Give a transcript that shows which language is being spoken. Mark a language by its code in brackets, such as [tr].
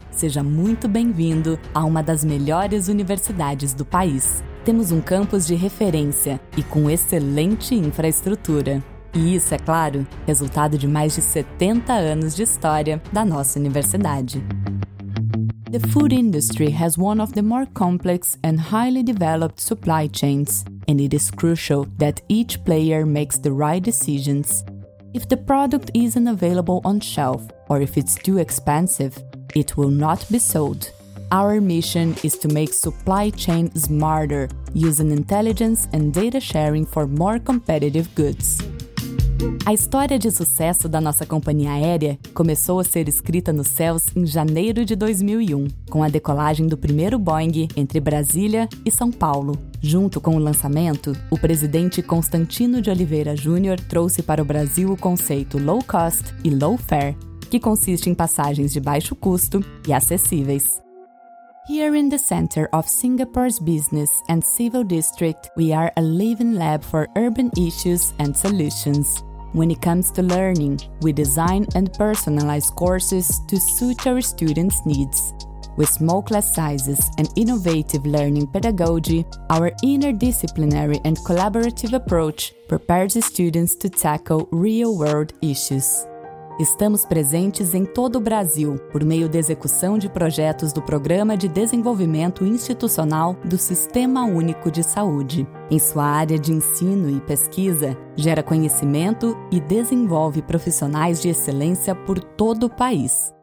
[pt] seja muito bem-vindo a uma das melhores universidades do país. Temos um campus de referência e com excelente infraestrutura. E isso, é claro, resultado de mais de 70 anos de história da nossa universidade. [en] The food industry has one of the more complex and highly developed supply chains, and it is crucial that each player makes the right decisions. If the product isn't available on shelf, or if it's too expensive, it will not be sold. Our mission is to make supply chain smarter, using intelligence and data sharing for more competitive goods. [pt] A história de sucesso da nossa companhia aérea começou a ser escrita nos céus em janeiro de 2001, com a decolagem do primeiro Boeing entre Brasília e São Paulo. Junto com o lançamento, o presidente Constantino de Oliveira Júnior trouxe para o Brasil o conceito low cost e low fare, que consiste em passagens de baixo custo e acessíveis. [en] Here in the center of Singapore's business and civil district, we are a living lab for urban issues and solutions. When it comes to learning, we design and personalize courses to suit our students' needs. With small class sizes and innovative learning pedagogy, our interdisciplinary and collaborative approach prepares students to tackle real-world issues. [pt] Estamos presentes em todo o Brasil por meio da execução de projetos do Programa de Desenvolvimento Institucional do Sistema Único de Saúde. Em sua área de ensino e pesquisa, gera conhecimento e desenvolve profissionais de excelência por todo o país.